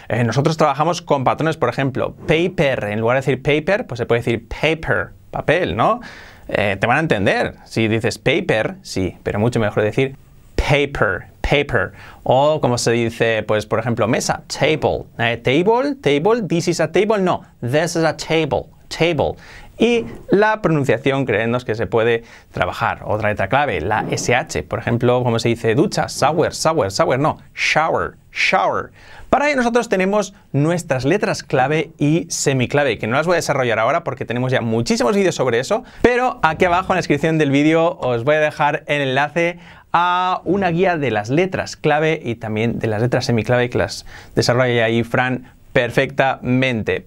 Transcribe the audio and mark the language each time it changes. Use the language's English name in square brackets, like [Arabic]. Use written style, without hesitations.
[Spanish] Nosotros trabajamos con patrones, por ejemplo, paper. En lugar de decir paper, pues se puede decir paper, papel, ¿no? Te van a entender. Si dices paper, sí, pero mucho mejor decir paper, paper. O como se dice, pues, por ejemplo, mesa, table. [English] Table, table, this is a table, no, this is a table, table. [Spanish] Y la pronunciación, creednos que se puede trabajar. Otra letra clave, la SH. Por ejemplo, como se dice ducha, shower, shower, shower, no, shower, shower. Para ello nosotros tenemos nuestras letras clave y semiclave, que no las voy a desarrollar ahora porque tenemos ya muchísimos vídeos sobre eso, pero aquí abajo en la descripción del vídeo os voy a dejar el enlace a una guía de las letras clave y también de las letras semiclave que las desarrolla ahí Fran perfectamente.